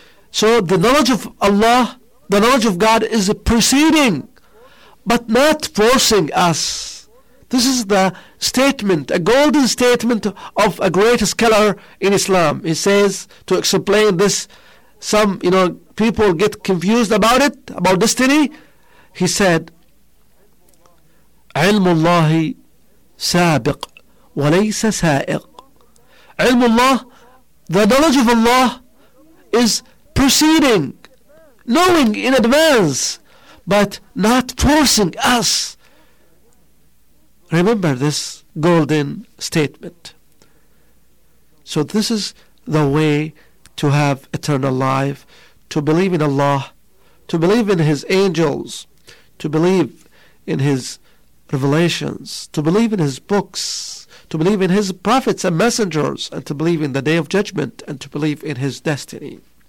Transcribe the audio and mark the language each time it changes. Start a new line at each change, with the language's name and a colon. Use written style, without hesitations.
English: So the knowledge of Allah, the knowledge of God is preceding, but not forcing us. This is the statement, a golden statement of a great scholar in Islam. He says, to explain this, some, you know, people get confused about it, about destiny.
Arabic: He said, علم الله سابق وليس سائق. علم الله,
English: the knowledge of Allah is proceeding, knowing in advance, but not forcing us. Remember this golden statement. So this is the way to have eternal life, to believe in Allah, to believe in His angels, to believe in His revelations, to believe in His books, to believe in His prophets and messengers, and to believe in the Day of Judgment, and to believe in His destiny.